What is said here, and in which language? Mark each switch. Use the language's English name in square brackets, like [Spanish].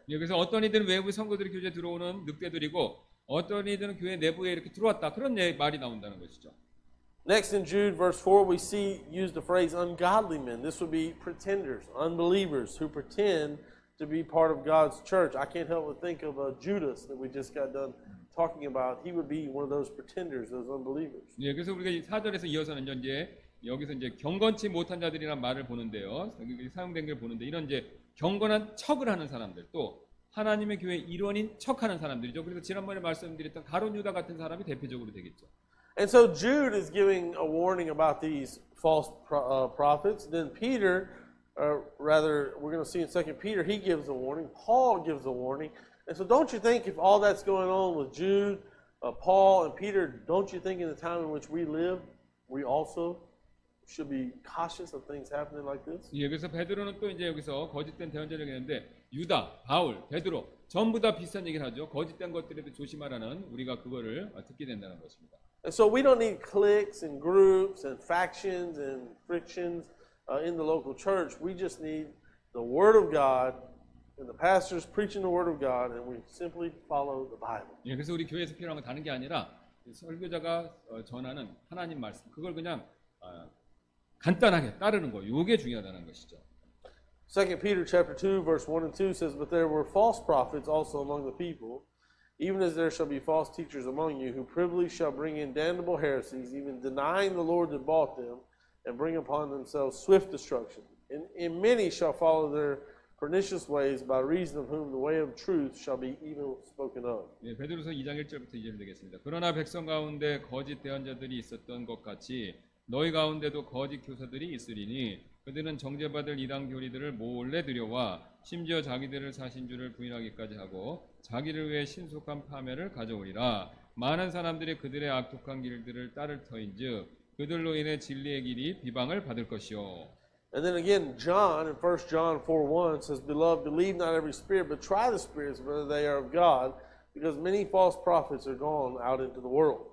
[Korean] 예, 그래서 어떤 이들은 외부 성도들이 교제 들어오는 늑대들이고 어떤 이들은 교회 내부에 이렇게 들어왔다 그런 말이 나온다는 것이죠. [English] Next in Jude verse 4 we see use the phrase ungodly men. This would be pretenders, unbelievers who pretend to be part of God's church. I can't help but think of a Judas that we just got done talking about. He would be one of those pretenders, those unbelievers. [Korean] 예, 그래서 우리가 4절에서 이어서는 이제 여기서 이제 경건치 못한 자들이란 말을 보는데요. 여기 사용된 걸 보는데 이런 이제 경건한 척을 하는 사람들 또 하나님의 교회 일원인 척하는 사람들이죠. 그래서 지난번에 말씀드렸던 가룟 유다 같은 사람이 대표적으로 되겠죠. [English] And so Jude is giving a warning about these false prophets. Then Peter, we're going to see in 2 Peter, he gives a warning. Paul gives a warning. And so don't you think if all that's going on with Jude, Paul, and Peter, don't you think in the time in which we live, we also should be cautious of things happening like this? [Korean] 예, 그래서 베드로는 또 이제 여기서 거짓된 대언자를 했는데 유다, 바울, 베드로 전부 다 비슷한 얘기를 하죠. 거짓된 것들에도 조심하라는 우리가 그거를 듣게 된다는 것입니다. [English] And so we don't need cliques and groups and factions and frictions in the local church. We just need the Word of God and the pastors preaching the Word of God, and we simply follow the Bible. [Korean] 예, 그래서 우리 교회에서 필요한 건 다른 게 아니라 설교자가 전하는 하나님 말씀 그걸 그냥 간단하게 따르는 거 이게 중요하다는 것이죠. [English] 2 Peter chapter 2 verse 1 and 2 says, But there were false prophets also among the people, even as there shall be false teachers among you, who privily shall bring in damnable heresies, even denying the Lord that bought them, and bring upon themselves swift destruction. And many shall follow their pernicious ways, by reason of whom the way of truth shall be evil spoken of. [Korean] 예, 베드로서 2장 1절부터 2절 되겠습니다. 그러나 백성 가운데 거짓 대언자들이 있었던 것 같이 너희 가운데도 거짓 교사들이 있으리니 그들은 정죄받을 이단 교리들을 몰래 들여와 심지어 자기들을 사신 주를 부인하기까지 하고 자기를 위해 신속한 파멸을 가져오리라 많은 사람들이 그들의 악독한 길들을 따를 터인즉 그들로 인해 진리의 길이 비방을 받을 것이요. [English] And then again John in 1 John 4:1 says Beloved believe not every spirit but try the spirits whether they are of God because many false prophets are gone out into the world.